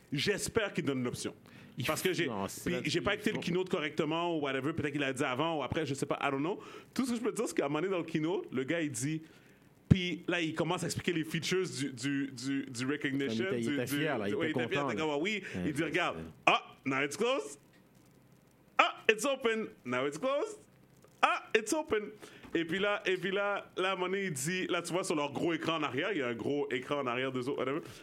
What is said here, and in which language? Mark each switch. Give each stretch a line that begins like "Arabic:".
French: J'espère qu'il donne l'option. Parce que j'ai pas écouté le keynote correctement ou whatever, peut-être qu'il a dit avant ou après, je sais pas,
English: I don't know.
French: Tout ce que je peux te dire, c'est qu'à un moment donné dans le keynote, le gars, il dit, puis là, il commence à expliquer les features du recognition. Il était fier, il était content. Il dit, regarde,
English: now it's closed. Ah, it's open. Now it's closed. Ah, it's open.
French: Et puis là, Money, il dit, là, tu vois, sur leur gros écran en arrière, il y a un gros écran en arrière d'eux autres, whatever.